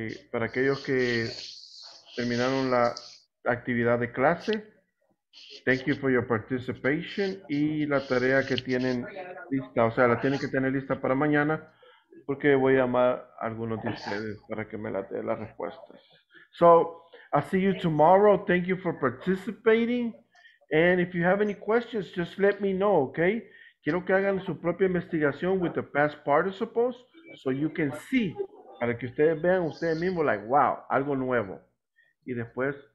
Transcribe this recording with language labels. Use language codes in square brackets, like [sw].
[es] Para aquellos que terminaron la actividad de clase, [en] thank you for your participation. [es] Y la tarea que tienen lista, o sea, la tienen que tener lista para mañana, porque voy a llamar a algunos de ustedes para que me den las respuestas. [en] So, I'll see you tomorrow. Thank you for participating. And if you have any questions, just let me know, okay? [es] Quiero que hagan su propia investigación [en] with the past participles, so you can see. [es] Para que ustedes vean ustedes mismos, like, wow, algo nuevo. Y después